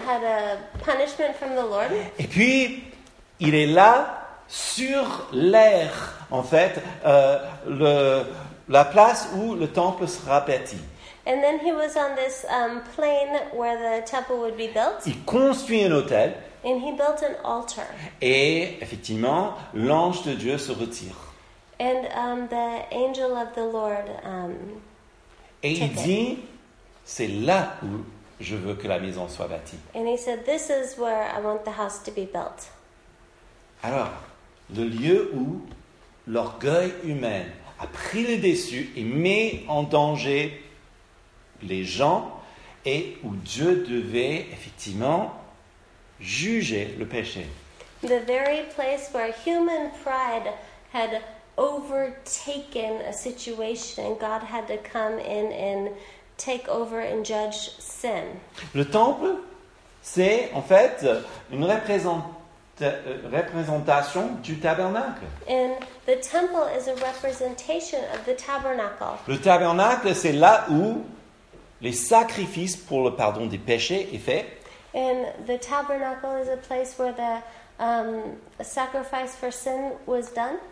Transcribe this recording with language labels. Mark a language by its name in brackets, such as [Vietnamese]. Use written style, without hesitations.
[English] Had a punishment from the Lord. [French] Et puis, il est là sur l'air, en fait, la place où le temple sera bâti. [English] And then he was on this plain where the temple would be built. [French] Il construit un hôtel. [English] And he built an altar. [French] Et effectivement, l'ange de Dieu se retire. [English] And the angel of the Lord [French] Et il dit, c'est là où je veux que la maison soit bâtie. [English] And he said, this is where I want the house to be built. [French] Alors, le lieu où l'orgueil humain a pris le dessus et met en danger les gens, et où Dieu devait effectivement juger le péché. [English] The very place where human pride had overtaken a situation, God had to come in and take over and judge sin. [French] Le temple, c'est en fait une représentation du tabernacle. [English] And the temple is a representation of the tabernacle. [French] Le tabernacle, c'est là où les sacrifices pour le pardon des péchés est fait. [English] And the tabernacle is a place where the sacrifice for sin was done.